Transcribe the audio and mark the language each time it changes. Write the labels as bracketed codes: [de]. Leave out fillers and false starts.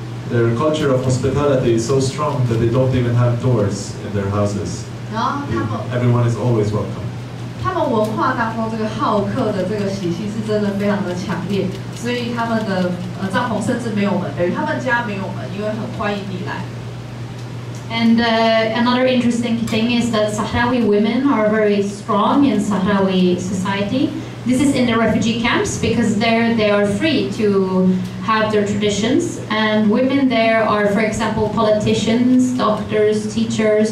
[en] Their culture of hospitality is so strong that they don't even have doors in their houses. Everyone is always welcome. [zh] 他们文化当中这个好客的这个习性是真的非常的强烈，所以他们的帐篷甚至没有门，等于他们家没有门，因为很欢迎你来。 [en] And another interesting thing is that Sahrawi women are very strong in Sahrawi society. This is in the refugee camps because there they are free to have their traditions. And women there are, for example, politicians, doctors, teachers.